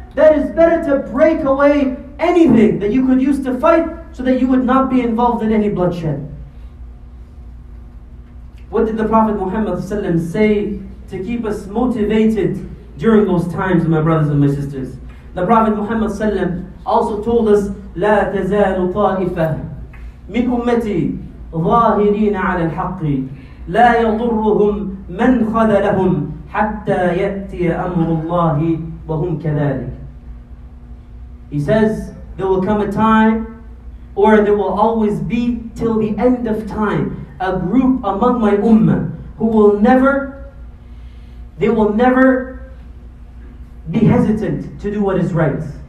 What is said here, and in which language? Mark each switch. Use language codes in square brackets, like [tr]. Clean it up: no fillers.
[en] That is better to break away anything that you could use to fight so that you would not be involved in any bloodshed. What did the Prophet Muhammad Sallam say to keep us motivated during those times, my brothers and my sisters? The Prophet Muhammad Sallam also told us, [ar] لا تزال طائفة من أمتي ظاهرين على الحق لا يضرهم من خذلهم حتى يأتي أمر الله وهم كذلك. [en] He says, there will come a time, or there will always be till the end of time, a group among my ummah who will never, they will never be hesitant to do what is right.